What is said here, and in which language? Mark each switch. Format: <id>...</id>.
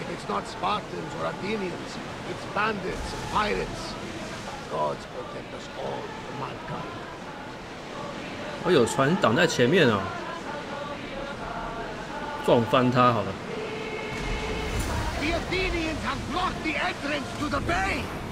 <en>Not Spartans or Athenians, it's bandits and pirates. Gods protect us all from mankind.</en> <zh>我有船挡在前面哦，撞翻它好了。</zh> <en>The Athenians have blocked the entrance to the bay.</en>